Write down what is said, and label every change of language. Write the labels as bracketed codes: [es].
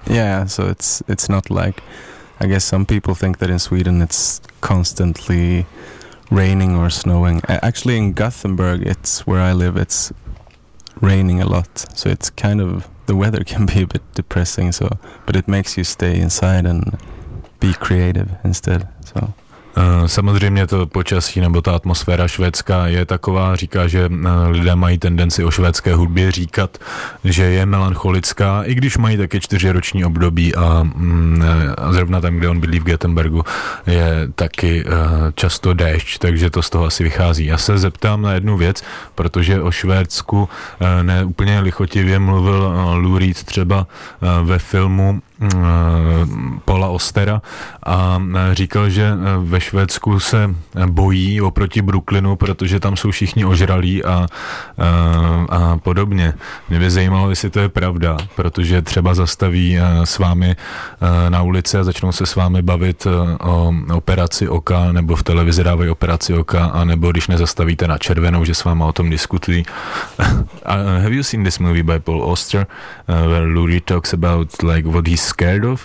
[en] Yeah, so it's not like, I guess some people think that in Sweden it's constantly raining or snowing. Actually, in Gothenburg, it's where I live, it's raining a lot, so it's kind of, the weather can be a bit depressing, so, but it makes you stay inside and be creative instead, so. [cs] Samozřejmě to počasí nebo ta atmosféra švédská je taková, říká, že lidé mají tendenci o švédské hudbě říkat, že je melancholická, i když mají taky čtyřroční období a zrovna tam, kde on bydlí v Gothenburgu, je taky často déšť, takže to z toho asi vychází. Já se zeptám na jednu věc, protože o Švédsku ne úplně lichotivě mluvil Lou Reed třeba ve filmu Paula Ostera a říkal, že ve Švédsku se bojí oproti Brooklynu, protože tam jsou všichni ožralí a podobně. Mě by zajímalo, jestli to je pravda, protože třeba zastaví s vámi na ulici a začnou se s vámi bavit o operaci oka, nebo v televizi dávají operaci oka, anebo když nezastavíte na červenou, že s váma o tom diskutují. [en] Have you seen this movie by Paul Oster, where Lurie talks about like what he's scared of?